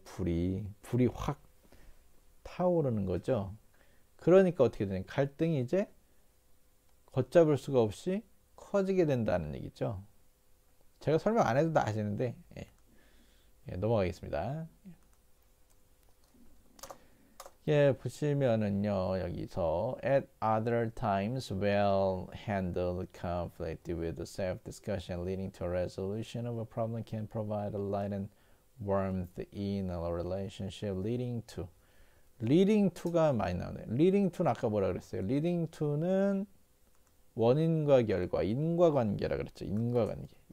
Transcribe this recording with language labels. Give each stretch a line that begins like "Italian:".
Korean: 불이 확 타오르는 거죠. 그러니까 어떻게 되냐? 갈등이 이제 걷잡을 수가 없이 커지게 된다는 얘기죠. 제가 설명 안 해도 다 아시는데. 예, 넘어가겠습니다. 예, 보시면은요, 여기서
English: At other times, well-handled conflict with self-discussion leading to a resolution of a problem can provide a light and warmth in a relationship leading to가
Korean: 많이 나오네요. leading to는 아까 뭐라 그랬어요? leading to는 원인과 결과, 인과관계라 그랬죠. 인과관계.